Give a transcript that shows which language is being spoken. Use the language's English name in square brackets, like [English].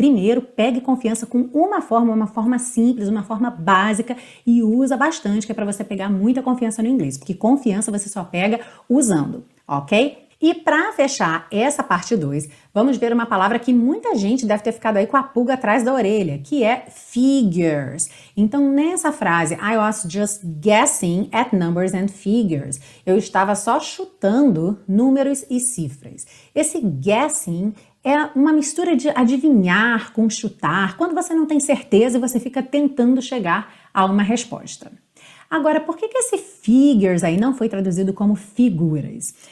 [Portuguese] Primeiro, pegue confiança com uma forma simples, uma forma básica, e usa bastante. Bastante, que é para você pegar muita confiança no inglês, porque confiança você só pega usando, ok? E para fechar essa parte 2, vamos ver uma palavra que muita gente deve ter ficado aí com a pulga atrás da orelha, que é figures. Então, nessa frase, [English] I was just guessing at numbers and figures. [Portuguese] Eu estava só chutando números e cifras. Esse guessing é uma mistura de adivinhar com chutar, quando você não tem certeza e você fica tentando chegar a uma resposta. Agora, por que que esse figures aí não foi traduzido como figuras?